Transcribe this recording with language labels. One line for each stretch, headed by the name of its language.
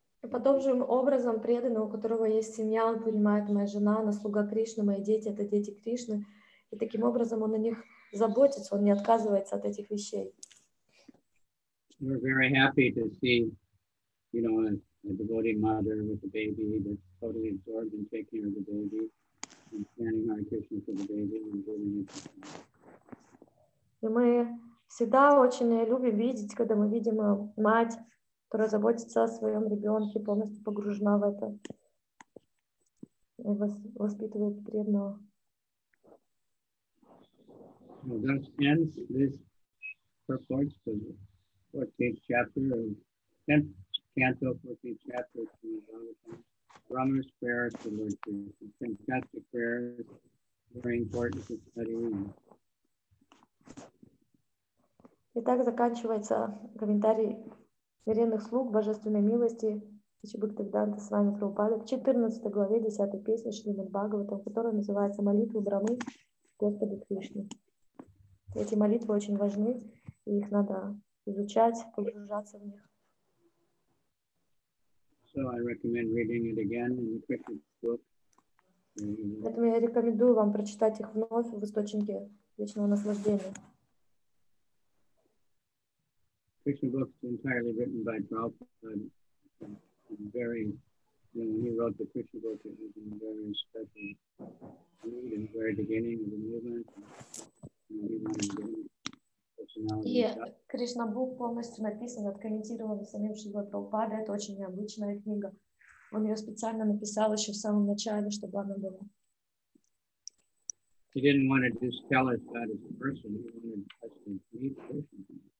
Russian: По тому же образом преданный, у которого есть семья, он принимает моя жена, она слуга Кришны, мои дети, это дети Кришны. И таким образом он о них заботится, он не отказывается от этих вещей.
English: We're very happy to see, you know, a devoted mother with a baby that's totally absorbed in taking care of the baby and chanting Hare Krishna for the baby and giving it to him.
Russian: И мы всегда очень любим видеть, когда мы видим мать, которая заботится о своем ребенке, полностью погружена в это, воспитывает преданного.
English: Well, that ends this purport to the 14th chapter, of 10th canto, 14th chapter, Brahma's prayer to Lord Krishna. Fantastic prayer, very important to study.
Russian: И так заканчивается комментарий смиренных слуг божественной милости Шри Бхактивиданта с вами Прабхупады в 14 главе 10 песни Шримад Бхагаватам, которая называется «Молитвы Брамы Господу Кришне». Эти молитвы очень важны, и их надо изучать, погружаться в них.
English: So I recommend reading it again in the Krishna book.
Russian: Поэтому я рекомендую вам прочитать их вновь в источнике вечного наслаждения.
English: Krishna book is entirely written by Prabhupada. Very, you know, when he wrote the Krishna book, it was in a very special mood in the very beginning of the movement.
Russian: И Кришна был полностью написан, откомментирован самим Шрила Прабхупадой. Это очень необычная книга. Он ее специально написал еще в самом начале, чтобы она была.
English: He didn't want to just tell us that as a person. He wanted us to meet Krishna.